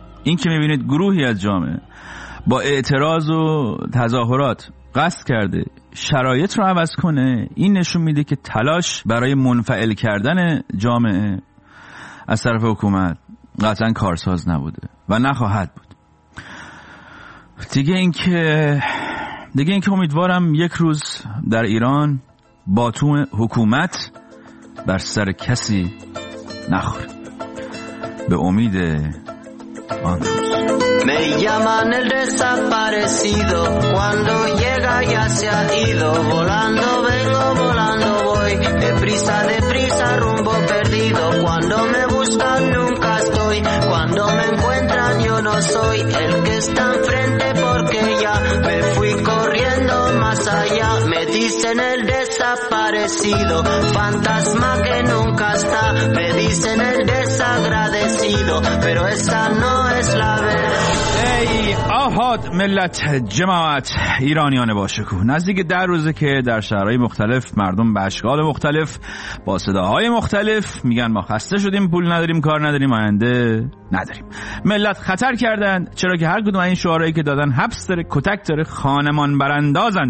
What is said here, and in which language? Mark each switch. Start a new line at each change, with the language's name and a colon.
Persian: این که میبینید گروهی از جامعه با اعتراض و تظاهرات قصد کرده شرایط رو عوض کنه، این نشون میده که تلاش برای منفعل کردن جامعه از طرف حکومت قطعا کارساز نبوده و نخواهد بود. دیگه این که امیدوارم یک روز در ایران باتوم حکومت بر سر کسی نخوره. به امید آن روز.
Spanish: Me llaman el desaparecido, cuando llega ya se ha ido, volando vengo, volando voy, deprisa, deprisa, rumbo perdido, cuando me buscan nunca estoy, cuando me encuentran yo no soy, el que está enfrente porque ya me fui corriendo más allá, me dicen el desaparecido, fantasma que nunca está, me dicen el desagradecido, pero esa no es la verdad.
Persian: آهاد ملت، جماعت، ایرانیان باشکوه، نزدیک 10 روزه که در شهرهای مختلف مردم به اشکال مختلف با صداهای مختلف میگن ما خسته شدیم، پول نداریم، کار نداریم، آینده نداریم. ملت خطر کردند، چرا که هر کدوم این شعارهایی که دادن حبس داره، کتک داره، خانمان براندازند.